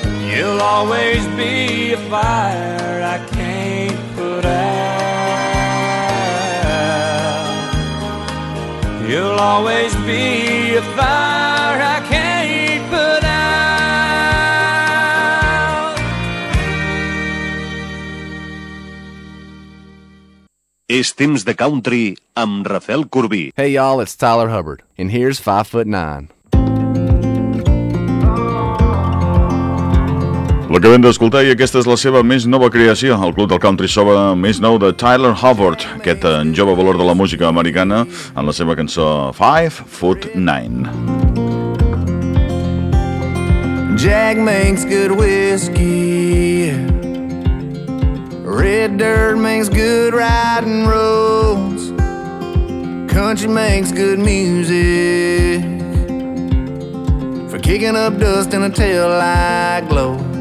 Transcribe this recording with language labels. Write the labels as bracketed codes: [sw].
[en] You'll always be a fire I can't put out. You'll always be a fire I can't put out. [ca] És temps de country amb Rafael Corbí. [en] Hey y'all, it's Tyler Hubbard, and here's 5'9". [ca] L'acabem d'escoltar i aquesta és la seva més nova creació, el Club del Country sobre més nou de Tyler Hubbard, aquest jove valor de la música americana, en la seva cançó 5'9". [en] Jack makes good whiskey, red dirt makes good riding roads, country makes good music for kicking up dust in a taillight glow.